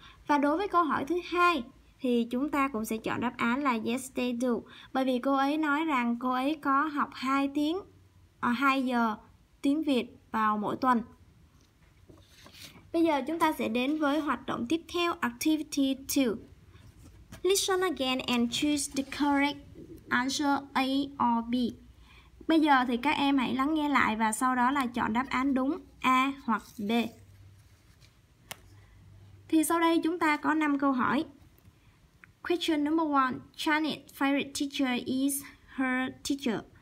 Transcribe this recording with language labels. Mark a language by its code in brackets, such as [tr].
[vi] Và đối với câu hỏi thứ hai thì chúng ta cũng sẽ chọn đáp án là [en] yes they do. [vi] Bởi vì cô ấy nói rằng cô ấy có học 2 tiếng 2 giờ tiếng Việt vào mỗi tuần. Bây giờ chúng ta sẽ đến với hoạt động tiếp theo, [en] activity 2. Listen again and choose the correct answer A or B. [vi] Bây giờ thì các em hãy lắng nghe lại và sau đó là chọn đáp án đúng A hoặc B. Thì sau đây chúng ta có 5 câu hỏi. [en] Question number 1. Janet's favorite teacher is her teacher.